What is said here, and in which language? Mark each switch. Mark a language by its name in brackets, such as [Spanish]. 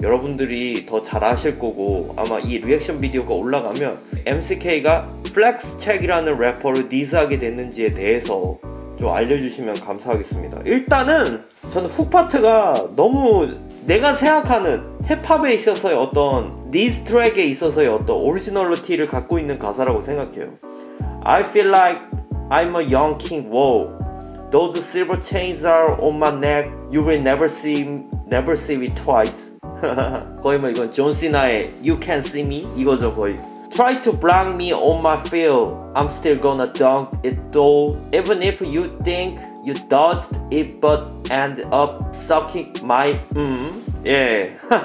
[Korean] 여러분들이 더 잘 아실 거고 아마 이 리액션 비디오가 올라가면 MCK가 플렉스 책이라는 래퍼를 니스하게 됐는지에 대해서 좀 알려주시면 감사하겠습니다. 일단은 저는 훅 파트가 너무 내가 생각하는 힙합에 있어서의 어떤 니스 트랙에 있어서의 어떤 오리지널리티를 갖고 있는 가사라고 생각해요. [English] I feel like I'm a young king, whoa. Those silver chains are on my neck. You will never see me twice. [Korean] 거의 뭐 이건 존 시나의 [English] You can't see me [Korean] 이거죠 거의. [English] Try to block me on my field. I'm still gonna dunk it though. Even if you think you dodged it, but end up sucking my 예.